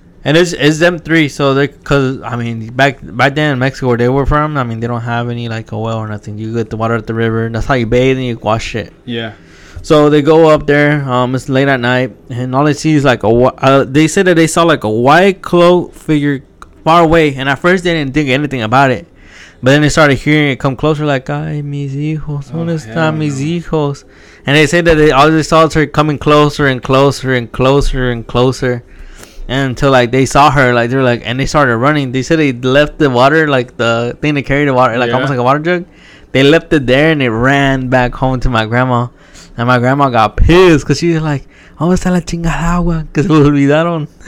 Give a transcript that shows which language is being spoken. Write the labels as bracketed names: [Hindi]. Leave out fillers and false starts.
[English] And it's them three, so they, cause I mean back then in Mexico where they were from, I mean they don't have any like a well or nothing. You get the water at the river, and that's how you bathe and you wash it. Yeah. So they go up there. It's late at night, and all they see is like they said that they saw like a white cloaked figure far away. And at first they didn't think anything about it, but then they started hearing it come closer. [Spanish] Like, ay, mis hijos, ¿dónde están mis hijos? [English] And they said that they saw her coming closer and closer and closer and closer, and until like they saw her, like they're like, and they started running. They said they left the water, like the thing to carry the water, like almost like a water jug. They left it there and they ran back home to my grandma. And my grandma got pissed because she was like, "Oh, [Spanish] está la chingada agua," [English] because we [Spanish] olvidaron.